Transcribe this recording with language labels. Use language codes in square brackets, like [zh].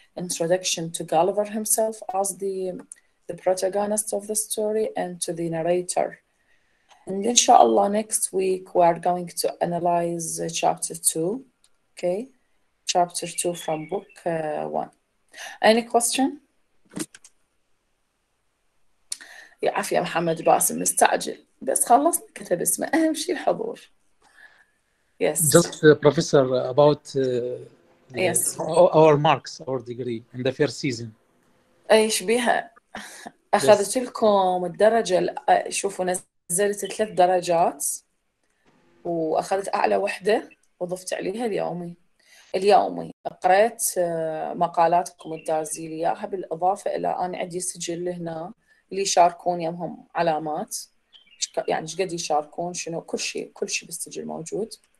[en] Introduction to Gulliver himself as the protagonist of the story and to the narrator. And inshallah, next week, we are going to analyze chapter two, okay? Chapter two from book one. Any question? [ar] يا عافية محمد باسم مستعجل بس خلصنا كتب اسمه أهم شيء الحضور. [en] Yes. Just professor about yes. our marks, our degree in the first season. [ar] ايش بيها؟ أخذت yes. لكم الدرجة, شوفوا نزلت ثلاث درجات وأخذت أعلى وحدة وضفت عليها اليومي قرأت مقالاتكم الدارزيلية بالإضافة إلى أنا عندي سجل هنا اللي يشاركون يمهم علامات يعني شقد يشاركون شنو كل شيء بالسجل موجود.